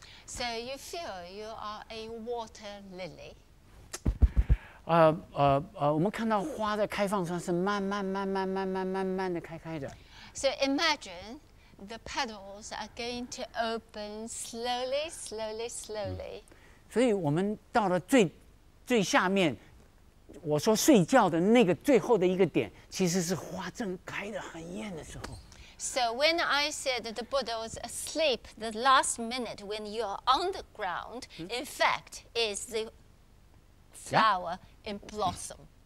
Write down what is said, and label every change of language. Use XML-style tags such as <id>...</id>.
<en>So you feel you are a water lily.</en> <zh>我们看到花在开放上是慢慢的开开的。</zh> <en>So imagine the petals are going to open slowly, slowly, slowly.</en> <zh>所以我们到了最下面，我说睡觉的那个最后的一个点，其实是花正开的很艳的时候。</zh> <en>So when I said the Buddha was asleep, the last minute when you are on the ground, in fact, is the flower in blossom.</en>